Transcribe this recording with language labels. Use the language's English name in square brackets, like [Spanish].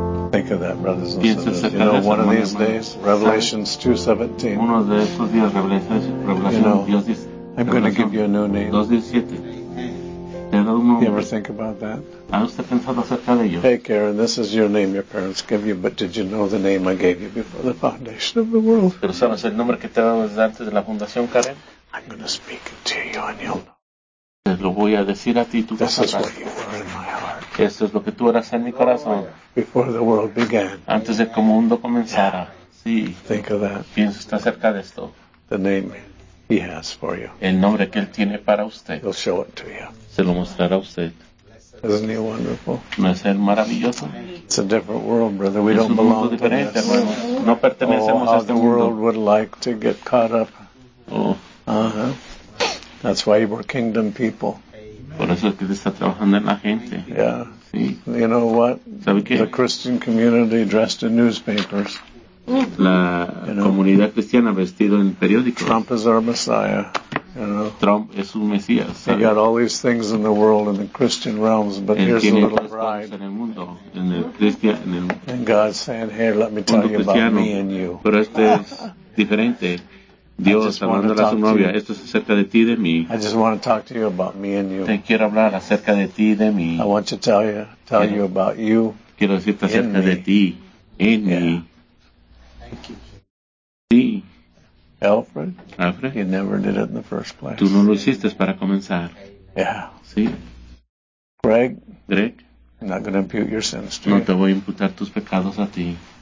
[English] Think of that, brothers and sisters. You know, one of these days, Revelations 2:17. [Spanish] Uno de estos días, Revelación, Dios dice, [English] I'm going to give you a new name. 2:17. You ever think about that? Hey Karen, this is your name your parents gave you, but did you know the name I gave you before the foundation of the world? [Spanish] Pero sabes el nombre que te daba desde antes de la fundación, Karen? [English] I'm going to speak to you and you'll know. [Spanish] Te lo voy a decir a ti, tú vas a saber. [English] This is what you were in my heart. [Spanish] Esto es lo que tú eras en mi corazón. [English] Before the world began. [Spanish] Antes de que el mundo comenzara. Sí. [English] Think of that. [Spanish] Piensa usted acerca de esto. [English] The name he has for you. [Spanish] El nombre que él tiene para usted. [English] He'll show it to you. [Spanish] Se lo mostrará a usted. [English] Isn't he wonderful? [Spanish] ¿No es él maravilloso? [English] It's a different world, brother. We don't belong to this. [Spanish] Es un mundo diferente, hermano. No pertenecemos a este mundo. [English] Oh, how the world would like to get caught up. That's why we're kingdom people. [Spanish] Por eso es que está trabajando en la gente. [English] Yeah. [Spanish] Sí. [English] You know what? [Spanish] ¿Sabe qué? [English] The Christian community dressed in newspapers. [Spanish] La comunidad cristiana vestido en periódicos. [English] Trump is our Messiah. You know, [Spanish] Trump es un Mesías. [English] He got all these things in the world in the Christian realms, but here's a little bride. [Spanish] En el mundo, en el cristian, en el [English] and God's saying, hey, let me tell you about me and you. [Spanish] Pero este es diferente. Dios hablándole a su novia, esto es acerca de ti y de mí. [English] I just want to talk to you about me and you. [Spanish] Te quiero hablar acerca de ti y de mí. [English] I want to tell you about you. [Spanish] Quiero decirte acerca de ti en mí. [English] Thank you. [Spanish] Sí. [English] Alfred, you never did it in the first place. [Spanish] Tú no lo hiciste para comenzar. [English] Yeah. [Spanish] Sí. [English] Greg, I'm not going to impute your sins to [Spanish] no [English] you. [Spanish] No te voy a imputar tus pecados a ti.